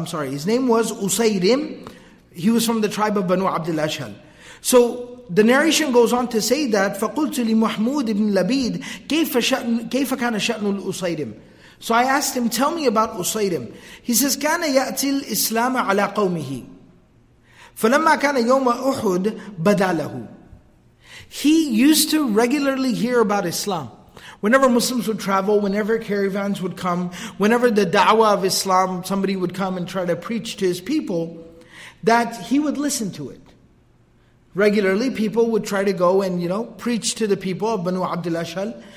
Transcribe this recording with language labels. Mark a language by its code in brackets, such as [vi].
[en] His name was Usayrim. He was from the tribe of Banu Abdul Ashhal. So the narration goes on to say that, [ar] فَقُلْتُ لِمُحْمُودِ بْنِ لَبِيدِ كَيْفَ كَانَ شَأْنُ الْأُصَيْرِمِ. [en] So I asked him, tell me about Usayrim. He says, [ar] كَانَ يَأْتِي الْإِسْلَامَ عَلَىٰ قَوْمِهِ فَلَمَّا كَانَ يَوْمَ أُحُدْ بَدَالَهُ. [en] He used to regularly hear about Islam. Whenever Muslims would travel, whenever caravans would come, whenever the da'wah of Islam, somebody would come and try to preach to his people, that he would listen to it. regularly people would try to go and, you know, preach to the people of Banu Abdul Ashhal.